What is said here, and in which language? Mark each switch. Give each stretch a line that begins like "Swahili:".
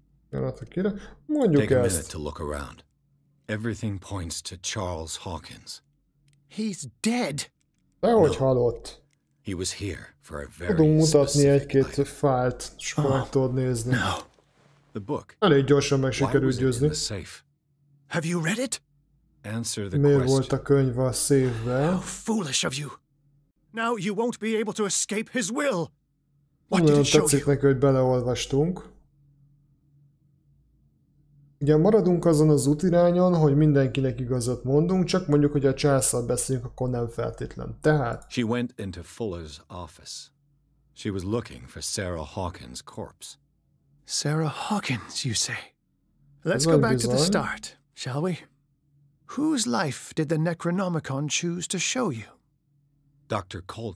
English: Take a minute to look around. Everything points to Charles Hawkins. He's dead.
Hungarian: Dehogy halott.
English: He was here for a very specific time.
Hungarian: Tudunk mutatni egy-két fájlt, és meg tudod nézni.
English: No. The book.
Hungarian: Elég gyorsan meg sikerült győzni.
English: Have you read it? Answer the question.
Hungarian: Miért volt a könyv a szívben?
English: How foolish of you. Now you won't be able to escape his will. What did it show you?
Hungarian: Tetszik neki, hogy beleolvastunk. Ugye maradunk azon az útirányon, hogy mindenkinek igazat mondunk, csak mondjuk, hogy a császsal beszélünk, akkor nem feltétlen. Tehát...
English: She went into Fuller's office. She was looking for Sarah Hawkins' corpse. Sarah Hawkins, you say? Let's go back to the start, shall we? Whose life did the Necronomicon choose to show you? Dr. Colden.